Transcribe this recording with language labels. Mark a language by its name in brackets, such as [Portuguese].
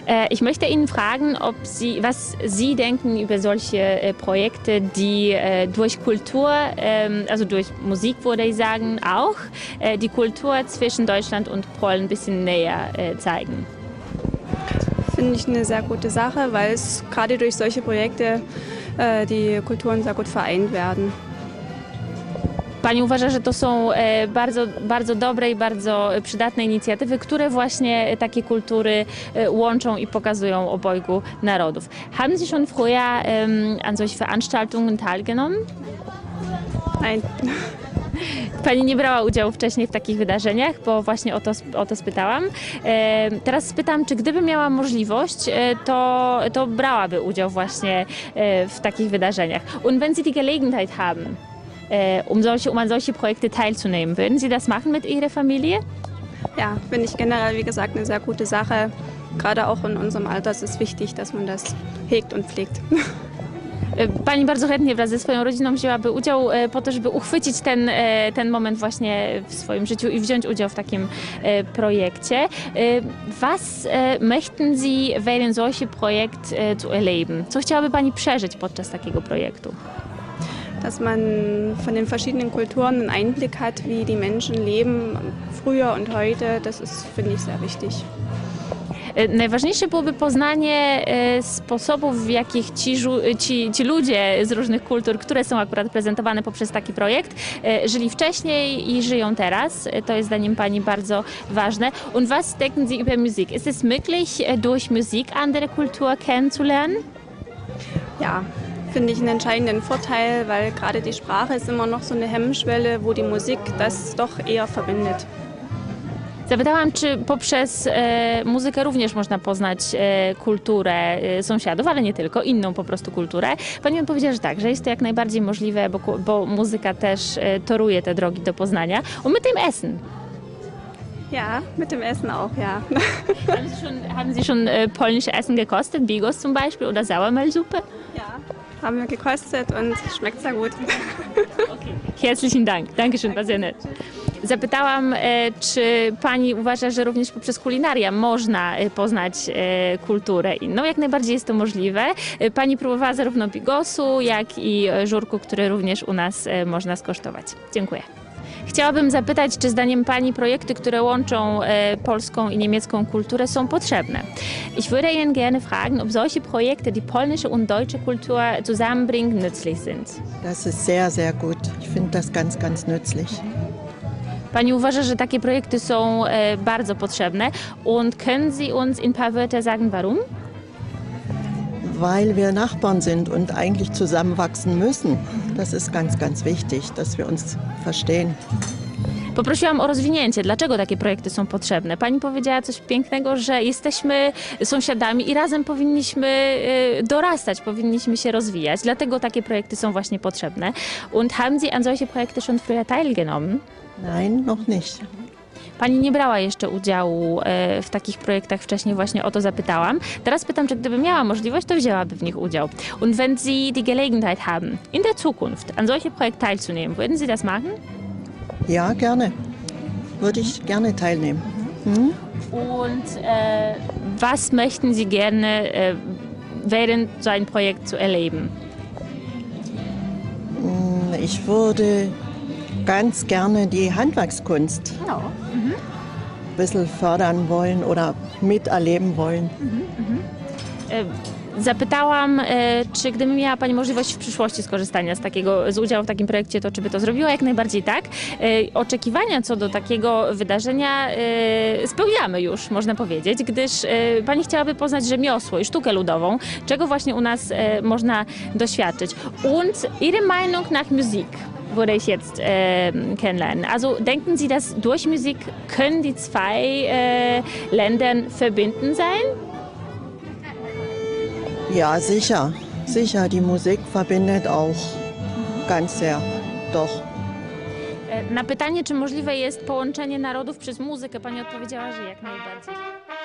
[German] Ich möchte Ihnen fragen, was Sie denken über solche Projekte, die durch Kultur, also durch Musik würde ich sagen, auch die Kultur zwischen Deutschland und Polen ein bisschen näher zeigen. Finde ich eine sehr gute Sache, weil es gerade durch solche Projekte die Kulturen sehr gut vereint werden. [Polish] Pani uważa, że to są bardzo, bardzo dobre i bardzo przydatne inicjatywy, które właśnie takie kultury łączą i pokazują obojgu narodów. [German] Haben Sie schon früher an solche Veranstaltungen teilgenommen? Nein. [Polish] Pani nie brała udziału wcześniej w takich wydarzeniach, bo właśnie o to spytałam. Teraz spytam, czy gdyby miała możliwość, to brałaby udział właśnie w takich wydarzeniach. [German] Und wenn Sie die Gelegenheit haben? Um an solche Projekte teilzunehmen. Würden Sie das machen mit Ihrer Familie? Ja, finde ich generell, wie gesagt, eine sehr gute Sache. Gerade auch in unserem Alter ist es wichtig, dass man das hegt und pflegt. [Polish] Pani bardzo chętnie wraz ze swoją rodziną wzięłaby udział po to, żeby uchwycić ten moment właśnie w swoim życiu i wziąć udział w takim projekcie. [German] Was möchten Sie während solche Projekt zu erleben? [Polish] Co chciałaby Pani przeżyć podczas takiego projektu? [German] Dass man von den verschiedenen Kulturen einen Einblick hat, wie die Menschen leben, früher und heute, das ist, finde ich, sehr wichtig. [Polish] Najważniejsze byłoby poznanie sposobów, w jakich ci ludzie z różnych kultur, które są akurat prezentowane poprzez taki projekt, żyli wcześniej i żyją teraz. To jest zdaniem Pani bardzo ważne. [German] Und was denken Sie über Musik? Ist es möglich, durch Musik andere Kultur kennenzulernen? Ja. Finde ich einen entscheidenden Vorteil, weil gerade die Sprache ist immer noch so eine Hemmschwelle, wo die Musik das doch eher verbindet. [Polish] Zapytałam, czy poprzez muzykę również można poznać kulturę sąsiadów, ale nie tylko, inną po prostu kulturę. Pani odpowiedziała, że tak, że jest to jak najbardziej możliwe, bo muzyka też toruje te drogi do poznania. [German] Und mit dem Essen. Ja, mit dem Essen auch, ja. Haben Sie schon polnisches Essen gekostet, Bigos zum Beispiel oder Sauermehlsuppe? Ja. Haben wir gekostet und schmeckt sehr gut. Okay. Herzlichen Dank. Dankeschön, war sehr nett. [Polish] Zapytałam, czy pani uważa, że również poprzez kulinaria można poznać kulturę inną? Jak najbardziej jest to możliwe. Pani próbowała zarówno bigosu, jak i żurku, który również u nas można skosztować. Dziękuję. Chciałabym zapytać, czy zdaniem Pani projekty, które łączą polską i niemiecką kulturę, są potrzebne? [German] Ich würde Ihnen gerne fragen, ob solche Projekte, die polnische und deutsche Kultur zusammenbringen, nützlich sind. Das ist sehr, sehr gut. Ich finde das ganz, ganz nützlich. [Polish] Pani uważa, że takie projekty są bardzo potrzebne. [German] Und können Sie uns in ein paar Wörter sagen, warum? Weil wir Nachbarn sind und eigentlich zusammenwachsen müssen. Das ist ganz, ganz wichtig, dass wir uns verstehen. [Polish] Poprosiłam o rozwinięcie, dlaczego takie projekty są potrzebne. Pani powiedziała coś pięknego, że jesteśmy sąsiadami i razem powinniśmy dorastać, powinniśmy się rozwijać. Dlatego takie projekty są właśnie potrzebne. [German] Und haben Sie an solche Projekte schon früher teilgenommen? Nein, noch nicht. [Polish] Pani nie brała jeszcze udziału w takich projektach wcześniej, właśnie o to zapytałam. Teraz pytam, czy gdyby miała możliwość, to wzięłaby w nich udział. [German] Und wenn Sie die Gelegenheit haben, in der Zukunft an solche Projekte teilzunehmen, würden Sie das machen? Ja, gerne. Würde ich gerne teilnehmen. Und was möchten Sie gerne während so ein Projekt zu erleben? Ich würde ganz gerne die Handwerkskunst ein bisschen fördern wollen oder miterleben wollen. [Polish] Zapytałam, czy gdyby miała Pani możliwość w przyszłości skorzystania z takiego, z udziału w takim projekcie, to czy by to zrobiła? Jak najbardziej tak. Oczekiwania co do takiego wydarzenia spełniamy już, można powiedzieć, gdyż Pani chciałaby poznać rzemiosło i sztukę ludową, czego właśnie u nas można doświadczyć. [German] Und Ihre Meinung nach Musik würde ich jetzt kennenlernen. Also denken Sie, dass durch Musik können die zwei Länder verbinden sein? Ja, sicher. Sicher, die Musik verbindet auch ganz sehr. Doch. [Polish] Na pytanie, czy możliwe jest połączenie narodów przez muzykę, Pani odpowiedziała, że jak najbardziej.